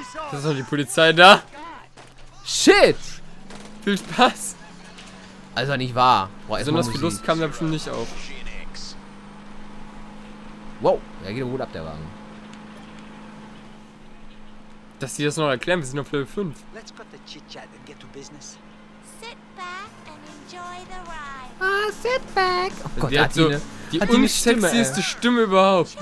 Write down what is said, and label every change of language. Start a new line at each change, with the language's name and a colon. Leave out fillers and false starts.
German: Das ist doch die Polizei da.
English: Shit!
German: Viel Spaß. Also nicht wahr. Boah, so das Verlust kam ja bestimmt nicht auf. Wow, der geht aber gut ab, der Wagen. Dass die das noch erklären, wir sind auf Level 5.
English: Let's put the chit-chat and get to business. Sit back and enjoy the ride. Ah, sit back. Oh
German: Gott, der hat so die unsexieste Stimme überhaupt.